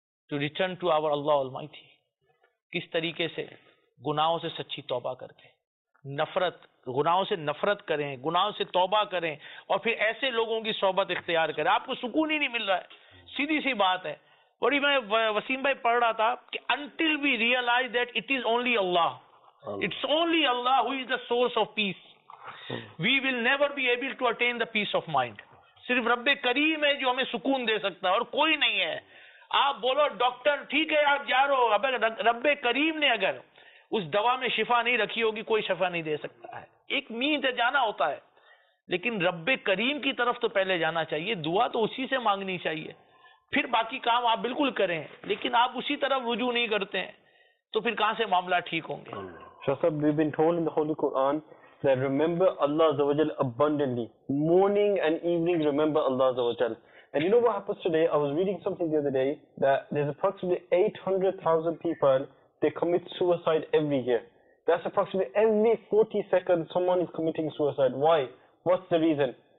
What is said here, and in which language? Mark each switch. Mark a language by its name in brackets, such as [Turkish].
[English] to return to our Allah almighty [Urdu] کس طریقے سے گناہوں سے سچی توبہ کر کے نفرت گناہوں سے نفرت کریں گناہوں سے توبہ کریں اور پھر ایسے لوگوں کی صحبت اختیار کریں آپ کو سکون ہی نہیں مل رہا ہے سیدھی سی بات ہے بڑی میں وسیم بھائی پڑھ رہا تھا کہ [English] Until we realise that it is only Allah It's only Allah who is the source of peace. We will never be able to attain the peace of mind. [Urdu] صرف رب کریم ہے جو ہمیں سکون دے سکتا ہے اور کوئی نہیں ہے. آپ بولو ڈاکٹر ٹھیک ہے آپ جا رہو رب کریم نے اگر اس دوا میں شفا نہیں رکھی ہوگی کوئی شفا نہیں دے سکتا ہے. ایک مینز ہے جانا ہوتا ہے لیکن رب کریم کی طرف تو پہلے جانا چاہیے دعا تو اسی سے مانگنی چاہیے پھر باقی کام آپ بالکل کریں لیکن آپ اسی طرف رجوع نہیں کرتے ہیں تو پھر کہاں سے معاملہ ٹھیک ہوں گے؟ [English] Shah sahab we've been told in the Holy Quran that remember Allah Azawajal abundantly morning and evening remember Allah Azawajal and you know what happens today I was reading something the other day that there's approximately 800,000 people they commit suicide every year that's approximately every 40 seconds someone is committing suicide why? What's the reason?